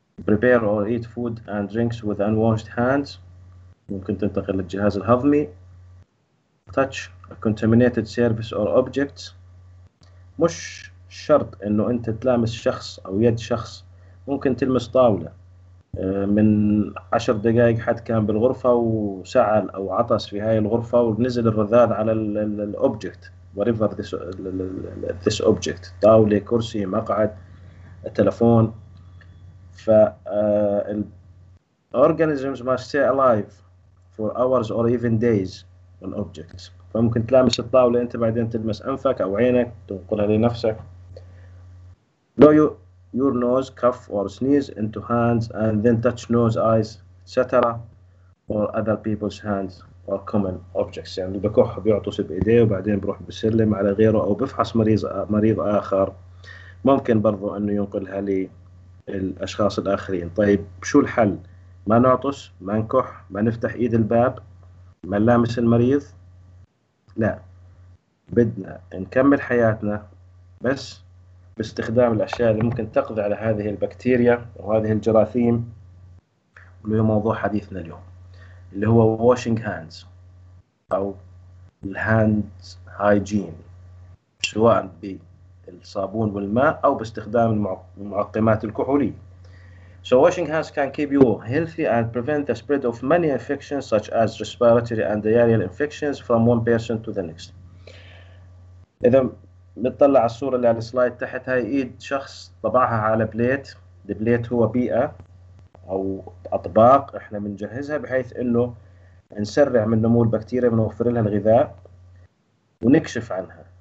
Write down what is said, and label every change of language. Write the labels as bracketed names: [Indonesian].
[English] prepare or eat food and drinks with unwashed hands [Arabic] ممكن تنتقل للجهاز الهضمي، [English] touch a contaminated surface or objects [Arabic] مش شرط انه انت تلامس شخص او يد شخص، ممكن تلمس طاولة من 10 دقائق حد كان بالغرفة وسعل او عطس في هاي الغرفة ونزل الرذاذ على الobject [English] whatever this object، [Arabic] طاولة، كرسي، مقعد، تلفون. فال [English] organisms must stay alive for hours or even days on objects، [Arabic] فممكن تلامس الطاولة انت بعدين تلمس انفك او عينك تنقلها لنفسك. [English] Blow your nose, cough or sneeze into hands and then touch nose, eyes, etc. or other people's hands or common objects، [Arabic] يعني بكح بيعطس بإيديه وبعدين بروح بسلم على غيره أو بفحص مريض آخر ممكن برضو أنه ينقلها للأشخاص الآخرين. طيب شو الحل؟ ما نعطس، ما نكح، ما نفتح إيد الباب، ما نلامس المريض؟ لا، بدنا نكمل حياتنا بس باستخدام الأشياء اللي ممكن تقضي على هذه البكتيريا وهذه الجراثيم، وهو موضوع حديثنا اليوم اللي هو washing hands أو hands hygiene، سواء بالصابون والماء أو باستخدام المعقمات الكحولية. [English] So washing hands can keep you healthy and prevent the spread of many infections such as respiratory and diarrheal infections from one person to the next. [Arabic] إذا بتطلع الصورة اللي على السلايد تحت، هاي إيد شخص طبعها على بليت، البليت هو بيئة أو أطباق إحنا بنجهزها بحيث إنه نسرع من نمو البكتيريا، بنوفر لها الغذاء ونكشف عنها.